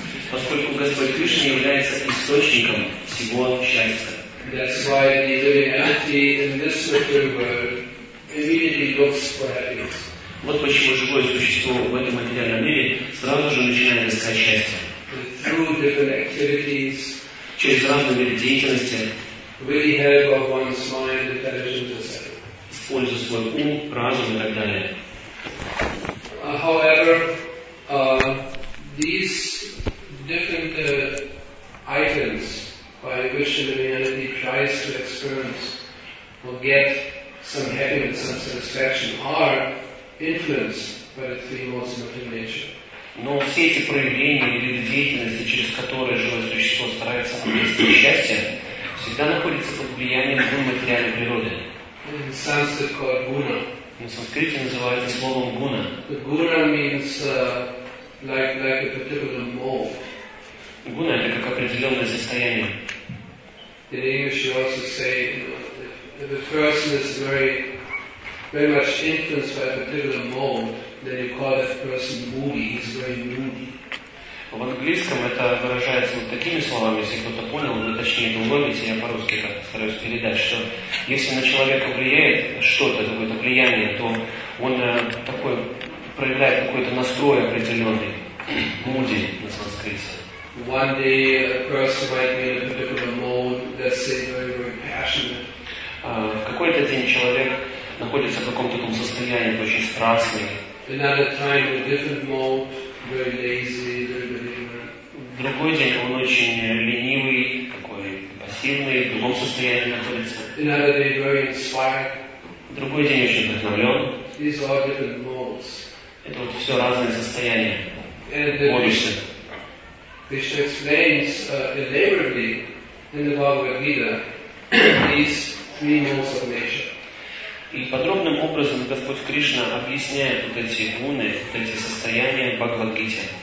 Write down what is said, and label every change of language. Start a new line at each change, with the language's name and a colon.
Russian: Поскольку Господь Кришна является источником всего счастья.
English: That's why the living entity in this material world immediately looks for happiness.
Russian: Вот почему живое существо в этом материальном мире сразу же начинает искать счастье.
English: Through different activities,
Russian: через разные виды деятельности,
English: with the help of one's mind, intelligence, etc.
Russian: Используя свой ум, разум и так далее.
English: However, these different items by which the reality tries to experience or get some happiness, some satisfaction, are influenced by the three modes of motivation.
Russian: Но все эти проявления или деятельности, через которые живое существо старается обрести счастье, всегда находятся под влиянием двух материальных природы.
English: In Sanskrit called guna.
Russian: На санскрите называется словом guna.
English: The guna means like a particular mode.
Russian: Guna — это как определенное состояние.
English: In English you also say, if a person is very much influenced by a particular mode, then you call that person moody, he's very moody.
Russian: В английском это выражается вот такими словами, если кто-то понял, вы точнее думаете, я по-русски как-то стараюсь передать, что если на человека влияет что-то, какое-то влияние, то он такой проявляет какой-то настрой определенный, муди на санскрите.
English: One day a person might be in a particular mood, let's say very, very passionate.
Russian: В какой-то день человек находится в каком-то таком состоянии, очень страстный.
English: Another time a different mood, very lazy,
Russian: в другой день он очень ленивый, такой пассивный, в другом состоянии находится.
English: Another day very inspired.
Russian: Другой день очень вдохновлен.
English: These are different modes.
Russian: Это вот все разные состояния.
English: And the Krishna explains elaborately in the Bhagavad Gita these three modes of nature.
Russian: И подробным образом Господь Кришна объясняет вот эти гуны, вот эти состояния в Бхагавад-гите.